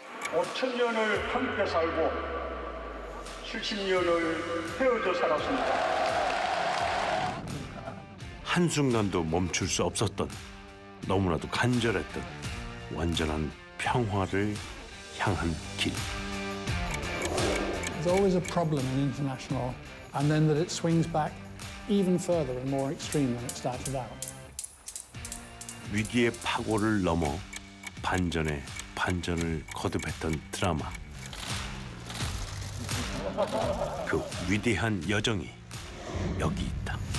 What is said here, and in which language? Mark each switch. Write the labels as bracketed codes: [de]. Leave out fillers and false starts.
[ko] 5000년을 함께 살고 70년을 헤어져 살았습니다. 한순간도 멈출 수 없었던, 너무나도 간절했던 완전한 평화를 향한 길. [en] There's always a problem in international and then that it swings back even further and more extreme than it started out. [ko] 위기의 파고를 넘어 반전의 반전을 거듭했던 드라마. 그 위대한 여정이 여기 있다.